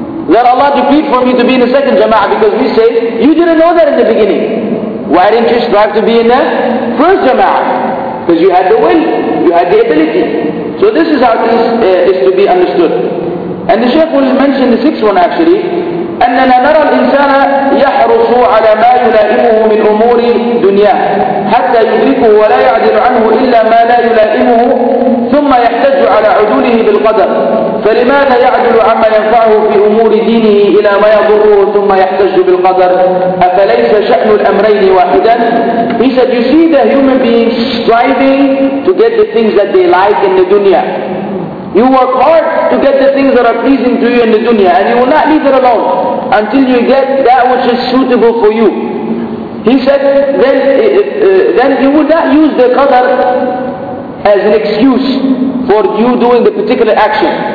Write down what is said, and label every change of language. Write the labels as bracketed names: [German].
[English] that Allah decreed for me to be in the second jama'ah, because we say, you didn't know that in the beginning. Why didn't you strive to be in the first jama'ah? Because you had the will, you had the ability. So this is how this is to be understood. And the Shaykh will mention the sixth one actually. [Arabic] أننا نرى الإنسان يحرص على ما يلائمه من أمور دنياه حتى يدركه ولا يعدل عنه إلا ما لا يلائمه ثم يحتج على عدوله بالقدر فلماذا يعدل عما ينفعه في أمور دينه إلى ما يضره ثم يحتج بالقدر أفليس شأن الأمرين واحدا. [English] He said, you see the human beings striving to get the things that they like in the dunya. You work hard to get the things that are pleasing to you in the dunya, and you will not leave it alone until you get that which is suitable for you. He said, then you will not use the qadr as an excuse for you doing the particular action.